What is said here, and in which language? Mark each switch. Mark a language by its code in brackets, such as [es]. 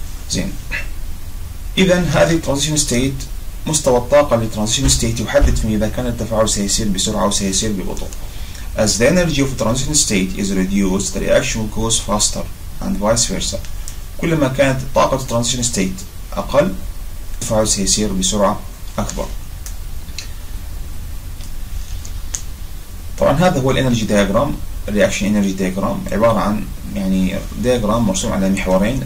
[ar] زين، اذا هذه الترانزيشن ستيت مستوى الطاقة للترانزيشن ستيت يحدد في اذا كان التفاعل سيسير بسرعة او سيسير ببطء. [en] As the energy of transition state is reduced, the reaction goes faster and vice versa. [ar] كلما كانت طاقة transition state أقل، التفاعل سيسير بسرعة أكبر. طبعاً هذا هو energy diagram, reaction energy diagram، عبارة عن يعني diagram مرسوم على محورين.